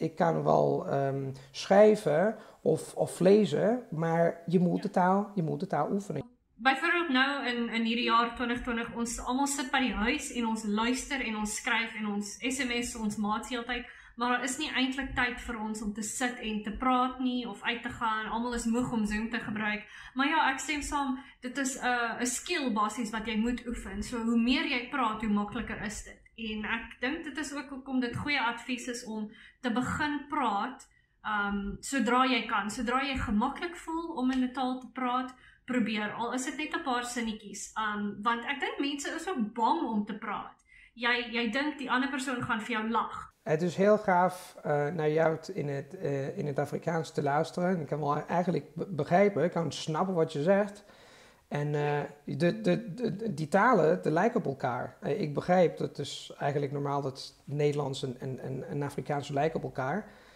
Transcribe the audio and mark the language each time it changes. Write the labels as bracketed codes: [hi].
[nl] Ik kan wel schrijven of lezen, maar je moet de taal oefenen. [af] Bijvoorbeeld nou in hierdie jaar 2020, ons allemaal sit by die huis en ons luister en ons skryf en ons sms, ons maats heeltyd, maar daar is nie eintlik tyd vir ons om te sit en te praat nie of uit te gaan. Almal is moeg om Zoom te gebruik. Maar ja, ek stem saam, dit is 'n skill basis wat jy moet oefen. So hoe meer jy praat, hoe makliker is dit. En ek dink dit is ook hoekom dit goeie advies is om te begin praat sodra jy kan, sodra jy gemaklik voel om in 'n taal te praat. Probeer, al is dit net 'n paar sinnetjies. Want ek dink mense is ook bang om te praat. Jy dink die ander persoon gaan vir jou lag. [nl] Het is heel gaaf naar jou in het Afrikaans te luisteren. Ik kan wel eigenlijk begrijpen, ik kan snappen wat je zegt. En die talen, die lijken op elkaar. Ik begrijp, dat is eigenlijk normaal dat Nederlands en Afrikaans lijken op elkaar.